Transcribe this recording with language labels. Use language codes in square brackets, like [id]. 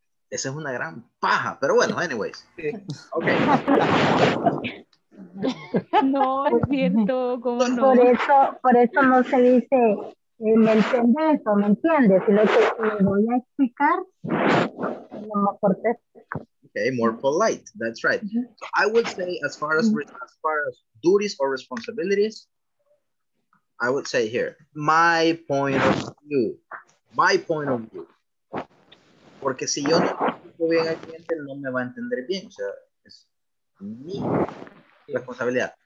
[es] Esa es una gran paja, pero bueno, anyways. [en] Okay. [es] No, siento como no. Por eso no se dice me entiendes o me entiendes, sino que le voy a explicar. [en] Okay, more polite. That's right. Mm-hmm. I would say as far as duties or responsibilities, I would say here, my point of view. My point of view. [es] Porque si yo no explico bien al cliente, no me va a entender bien. O sea, es mi responsabilidad.